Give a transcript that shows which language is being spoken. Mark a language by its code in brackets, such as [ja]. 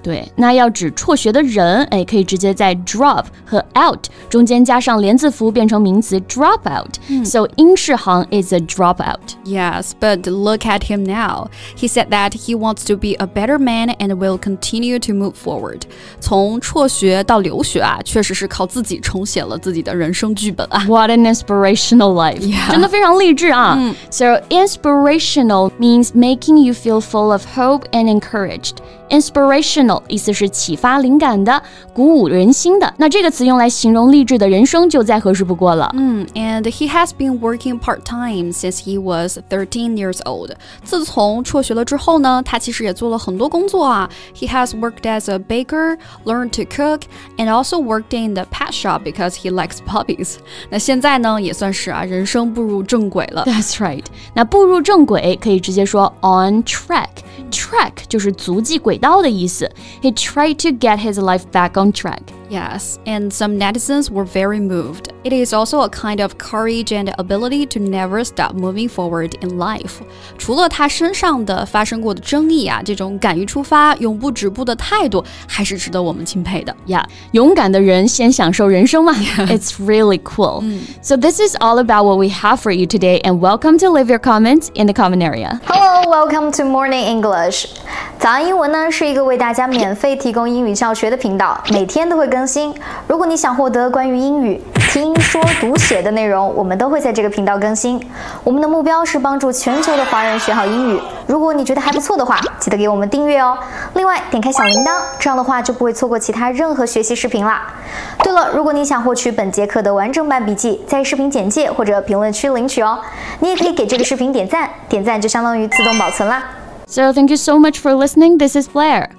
[zh] 对，那要指辍学的人，哎，可以直接在 drop 和 out 中间加上连字符变成名词 drop out.、 Mm. [en] So 英世航 is a drop out. Yes, but look at him now. He said that he wants to be a better man and will continue to move forward. [zh] 从辍学到留学啊，确实是靠自己重写了自己的人生剧本啊。 [en] What an inspirational life. Yeah. [zh] 真的非常励志啊。Mm. [en] So inspirational means making you feel full of hope and encouraged. [zh] Inspirational 意思是启发灵感的，鼓舞人心的。那这个词用来形容励志的人生就再合适不过了。 Mm. [en] And he has been working part-time since he was 13 years old. [zh] 自从辍学了之后呢，他其实也做了很多工作啊。 [en] He has worked as a baker, learned to cook, and also worked in the pet shop because he likes puppies. [zh] 那现在呢，也算是啊，人生步入正轨了。 [en] That's right. [zh] 那步入正轨可以直接说 on track. [en] Track [zh] 就是足迹轨道的意思。 [en] He tried to get his life back on track. Yes, and some netizens were very moved. It is also a kind of courage and ability to never stop moving forward in life. [zh] 除了他身上的发生过的争议啊，这种敢于出发、永不止步的态度还是值得我们钦佩的。 Yeah, 勇敢的人先享受人生嘛。 Yeah. [en] It's really cool. Mm. So this is all about what we have for you today, and welcome to leave your comments in the comment area. Hello, welcome to Morning English. [zh] 早安英文呢，是一个为大家免费提供英语教学的频道，每天都会更新。如果你想获得关于英语听说读写的内容，我们都会在这个频道更新。我们的目标是帮助全球的华人学好英语。如果你觉得还不错的话，记得给我们订阅哦。另外点开小铃铛，这样的话就不会错过其他任何学习视频了。对了，如果你想获取本节课的完整版笔记，在视频简介或者评论区领取哦。你也可以给这个视频点赞，点赞就相当于自动保存了。 [en] So thank you so much for listening. This is Blair.